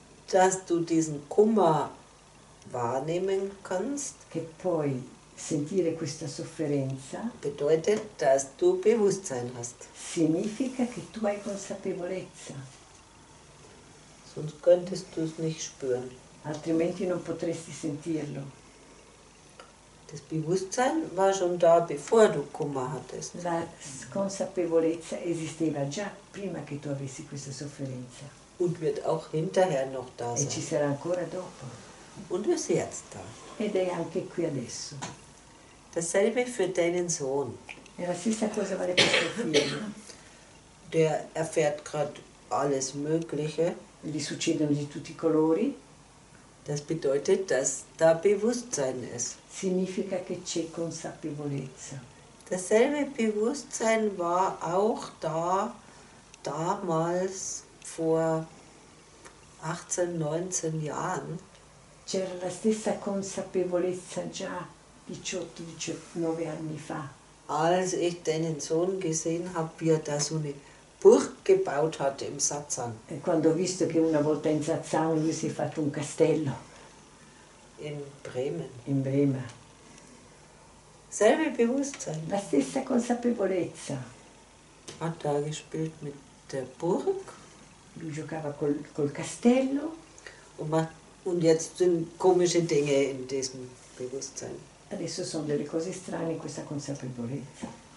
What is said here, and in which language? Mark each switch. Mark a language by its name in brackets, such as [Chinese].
[German] Dass du diesen Kummer wahrnehmen kannst. [Italian] Che poi sentire questa sofferenza [German] bedeutet, dass du Bewusstsein hast. [Italian] Significa che tu hai consapevolezza. [German] Sonst könntest du es nicht spüren. [Italian] Altrimenti non potresti sentirlo. [German] Das Bewusstsein war schon da, bevor du Kummer hattest. [Italian] La consapevolezza esisteva già prima che tu avessi questa sofferenza. [German] Und wird auch hinterher noch da sein. [Italian] E ci sarà ancora dopo. [German] Und ist jetzt da. [Italian] Ed è anche qui adesso. [German] Dasselbe für deinen Sohn. [Italian] E la stessa cosa vale per tuo figlio. [German] Der erfährt gerade alles Mögliche. [Italian] Gli succedono di tutti i colori. [German] Das bedeutet, dass da Bewusstsein ist. [Italian] Significa che c'è consapevolezza. [German] Dasselbe Bewusstsein war auch da damals vor 18, 19 Jahren. [Italian] c'era la stessa consapevolezza già 18-19 anni fa. [German] Als ich deinen Sohn gesehen habe, wie er da so eine Burg gebaut hat im Satzan. [Italian] E quando ho visto che una volta in Satzan lui si è fatto un castello. [German] In Bremen. [Italian] In Bremen. [German] Selbe Bewusstsein. [Italian] La stessa consapevolezza. [German] Hat da gespielt mit der Burg. [Italian] Lui giocava col castello. [German] Und jetzt sind komische Dinge in diesem Bewusstsein. [Italian] Adesso sono delle cose strane in questa consapevolezza.